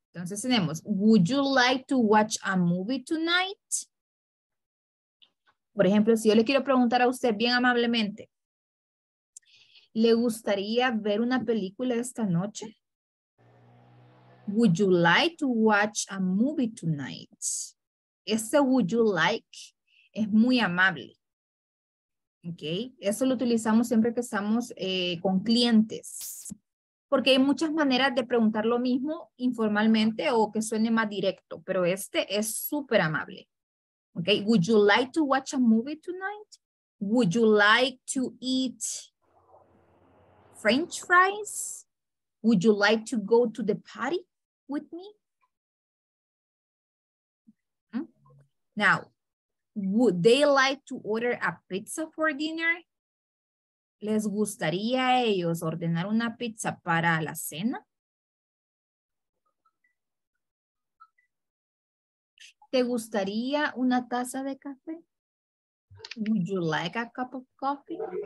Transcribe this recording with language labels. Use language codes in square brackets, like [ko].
[es] Entonces tenemos, [en] would you like to watch a movie tonight? [es] Por ejemplo, si yo le quiero preguntar a usted bien amablemente, ¿le gustaría ver una película esta noche? [en] Would you like to watch a movie tonight? [es] Ese would you like es muy amable. ¿Ok? Eso lo utilizamos siempre que estamos con clientes. Porque hay muchas maneras de preguntar lo mismo informalmente o que suene más directo. Pero este es súper amable. ¿Ok? [en] Would you like to watch a movie tonight? Would you like to eat French fries? Would you like to go to the party with me? Now, would they like to order a pizza for dinner? [es] ¿Les gustaría a ellos ordenar una pizza para la cena? ¿Te gustaría una taza de café? [en] Would you like a cup of coffee?